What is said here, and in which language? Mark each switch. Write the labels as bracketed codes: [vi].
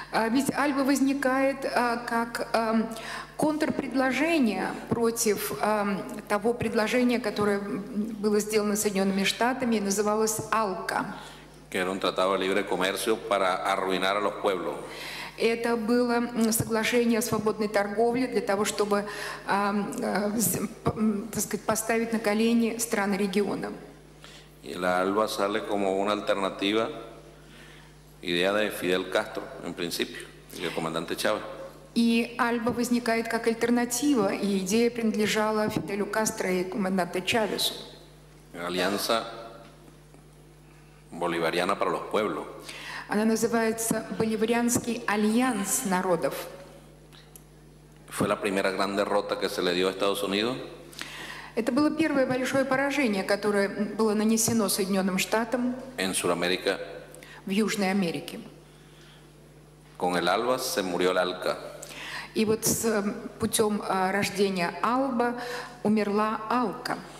[ru] Ведь ALBA возникает как контрпредложение против того предложения, которое было сделано Соединенными Штатами, и называлось АЛКА. [es] Que era un tratado de libre comercio para arruinar a los pueblos. [ru] Это было соглашение о свободной торговле для того, чтобы так сказать, поставить на колени страны региона. [es] Y la ALBA sale como una alternativa, idea de Fidel Castro, en principio, y el comandante Chávez. [ru] И ALBA возникает как альтернатива, и идея принадлежала Фиделю Кастро и команданту Чавесу. [es] Альянса Bolivariana para los pueblos. [ru] Она называется Боливарианский альянс народов. [es] Fue la primera gran derrota que se le dio a Estados Unidos. [ru] Это было первое большое поражение, которое было нанесено Соединенным Штатам [es] en Sudamérica. [ru] В Южной Америке. [es] Con el Alba se murió el Alca. [ru] И вот с путем рождения Алба умерла Алка.